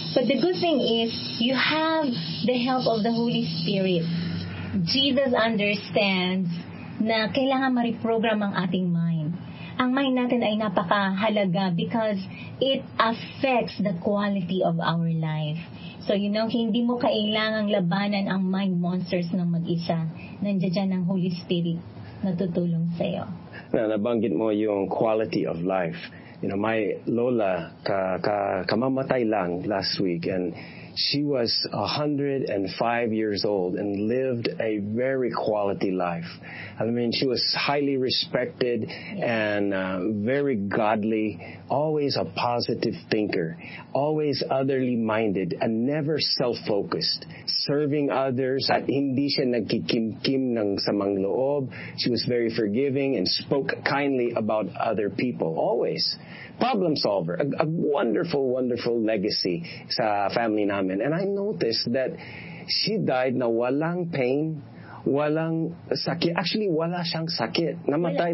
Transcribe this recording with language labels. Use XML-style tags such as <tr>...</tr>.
<en>But the good thing is, you have the help of the Holy Spirit. Jesus understands</en> <tl>na kailangan ma-reprogram ang ating mind. Ang mind natin ay napakahalaga</tl> <en>because it affects the quality of our life.</en> <tl>So,</tl> <en>you know,</en> <tl>hindi mo kailangang labanan ang mind monsters ng mag-isa. Nandiyan dyan ang Holy Spirit na tutulong sa'yo. Na nabanggit mo yung</tl> <en>quality of life. You know, my lola</en> <tl>kamamatay lang</tl> <en>last week, and she was 105 years old and lived a very quality life. I mean, she was highly respected and very godly, always a positive thinker, always otherly minded, and never self-focused, serving others.</en> <tl>At hindi siya nagkikimkim ng samang loob.</tl> <en>She was very forgiving and spoke kindly about other people, always. Problem solver, a wonderful, wonderful legacy</en> <tl>sa family namin.</tl> <en>And I noticed that she died</en> <tl>na walang pain, walang sakit. Actually, wala siyang sakit. Namatay</tl>